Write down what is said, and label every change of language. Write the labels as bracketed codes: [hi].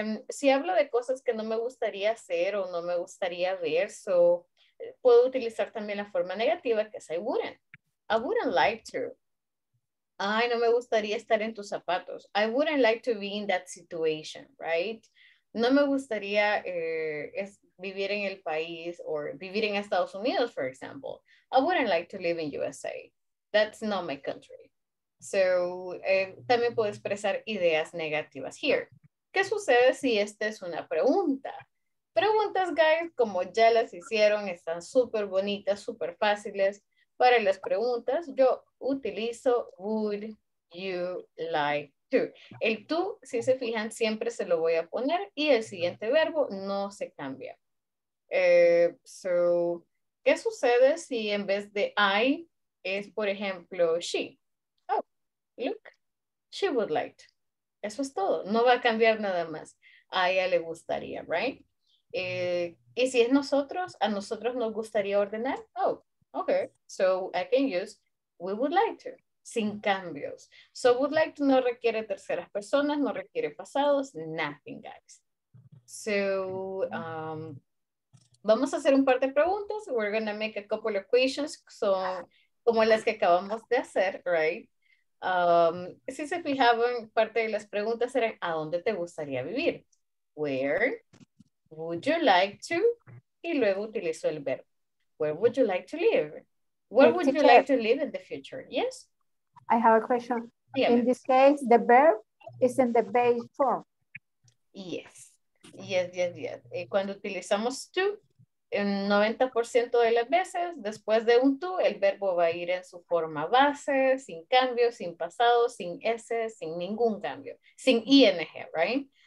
[es] Si hablo de cosas que no me gustaría hacer o no me gustaría ver, so puedo utilizar también la forma negativa, que es [en] I wouldn't. I wouldn't like to. [es] Ay, no me gustaría estar en tus zapatos. [en] I wouldn't like to be in that situation, right? [es] No me gustaría vivir en el país o vivir en Estados Unidos, [en] for example. I wouldn't like to live in USA. That's not my country. [es] So, también puedo expresar ideas negativas here. ¿Qué sucede si esta es una pregunta? Preguntas, guys, como ya las hicieron, están súper bonitas, súper fáciles. Para las preguntas, yo utilizo [en] would you like to. [es] El tú, si se fijan, siempre se lo voy a poner y el siguiente verbo no se cambia. So, ¿qué sucede si en vez de I es, por ejemplo, she? [en] Oh, look, she would like to. [es] Eso es todo. No va a cambiar nada más. A ella le gustaría, right? Y si es nosotros, a nosotros nos gustaría ordenar. [en] Oh, okay. So I can use we would like to, [es] sin cambios. So [en] would like to [es] no requiere terceras personas, no requiere pasados, [en] nothing, guys. [es] So vamos a hacer un par de preguntas. [en] We're going to make a couple of questions. [es] Son como las que acabamos de hacer, right? Si se fijaban, parte de las preguntas eran ¿a dónde te gustaría vivir? [en] Where would you like to? [es] Y luego utilizo el verbo. [en] Where would you like to live? Where would you like to live in the future? Yes? I have a question. Yeah. In this case, the verb is in the base form. Yes. Yes, yes, yes. [es] Y cuando utilizamos to, en 90% de las veces, después de un to, el verbo va a ir en su forma base, sin cambio, sin pasado, sin S, sin ningún cambio, sin ing, right?